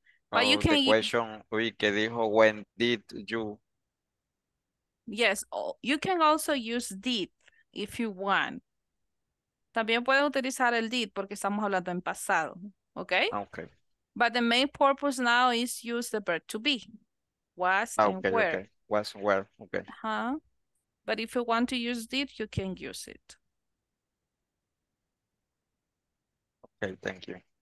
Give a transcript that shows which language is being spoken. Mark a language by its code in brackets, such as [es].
[en] But you can question we [es] que dijo, [en] when did you? Yes, you can also use did if you want. [es] También puedes utilizar el did porque estamos hablando en pasado, okay? [en] Okay. But the main purpose now is use the verb to be. Was and were. Okay. Was and were, okay. Uh-huh. But if you want to use did, you can use it. Okay, thank you.